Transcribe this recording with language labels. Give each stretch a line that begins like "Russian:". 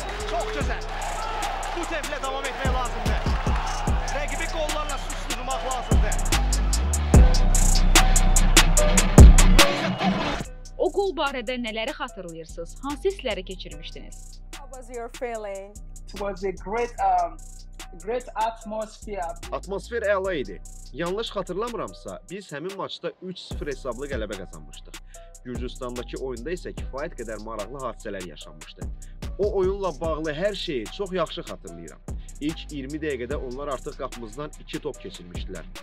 Azerbaijani: Çox gözəl. Bu təmplə davam etmək lazımdır. Rəqibi qollarla susturmaq lazımdır. O qol barədə nələri xatırlayırsınız? Hansı hissləri keçirmişdiniz?
English: How was your feeling? It was a great great atmosphere.
Azerbaijani: Atmosfer əla idi. Yanlış xatırlamıramsa, biz həmin maçda 3-0 hesablı qələbə qazanmışdıq. Gürcüstandakı oyunda isə kifayət qədər maraqlı hadisələr yaşanmışdı. O oyunla bağlı hər şeyi çox yaxşı xatırlayıram. İlk 20 dəqiqədə onlar artıq qapımızdan 2 top keçirmişdilər.